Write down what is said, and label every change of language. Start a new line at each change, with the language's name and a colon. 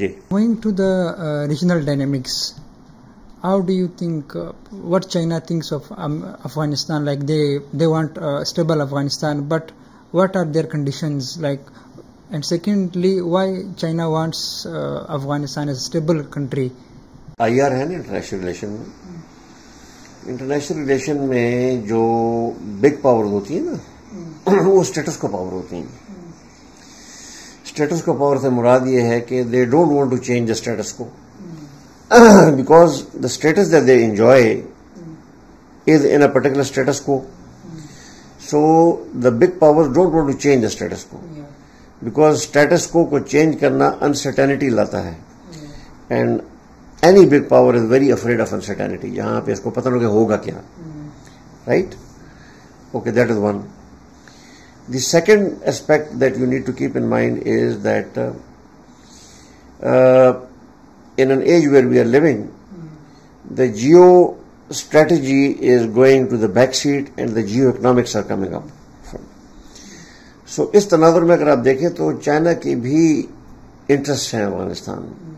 English: Going to the regional dynamics, how do you think, what China thinks of Afghanistan, like they want a stable Afghanistan, but what are their conditions like? And secondly, why China wants Afghanistan as a stable country?
Urdu: IR ہے نا international relation میں. International relation میں جو big power ہوتی ہیں نا, وہ status کو پاور ہوتی ہیں. اسٹیٹس کو پاور سے مراد یہ ہے کہ
English: They don't want to change the status quo, because the status that they enjoy is in a particular status quo. So the big power don't want to change the status quo, because
Urdu: اسٹیٹس کو change کرنا uncertainty لاتا ہے,
English: And any big power is very afraid of uncertainty.
Urdu: یہاں پہ اس کو پتا نہیں کہ ہوگا کیا, right?
English: Okay, that is one. The second aspect that you need to keep in mind is that in an age where we are living, the geo strategy is going to the back seat and the geo economics are coming up.
Urdu: سو اس تناظر میں اگر آپ دیکھیں تو China کی بھی interest ہیں افغانستان.